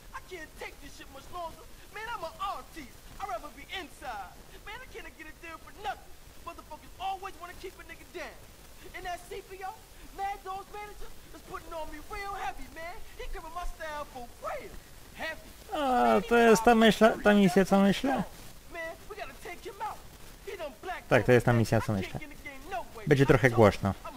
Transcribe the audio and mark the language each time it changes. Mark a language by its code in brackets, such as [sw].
[en] I can't take this shit much longer! Man, I'm an artist! I'd rather be inside! Man, I can't get a deal for nothing! Motherfuckers always wanna keep a nigga down. And that CPO, Mad Dog's manager, is putting on me real heavy, man. He covered my style for real. Heavy. [pl] Oh, to jest ta myśl, ta misja, co myślę. [en] Man, we gotta take him out. He done black. [pl] Tak, to jest ta misja, co myślę. Będzie trochę głośno.